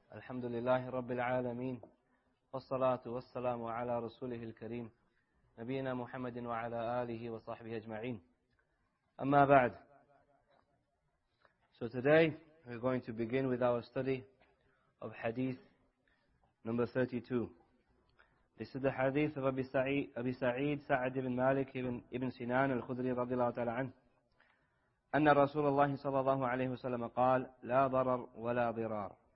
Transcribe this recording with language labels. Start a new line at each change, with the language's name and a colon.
Arabic: الحمد لله رب العالمين، والصلاة والسلام على رسوله الكريم نبينا محمد وعلى آله وصحبه أجمعين. أما بعد،
English: so today we're going to begin with our study of hadith number 32. This is the hadith of Abi Sa'id Sa'ad ibn Malik ibn Sinan al-Khudri
Arabic: رضي الله تعالى عنه. أن رسول الله صلى الله عليه وسلم قال لا ضرر ولا ضرار.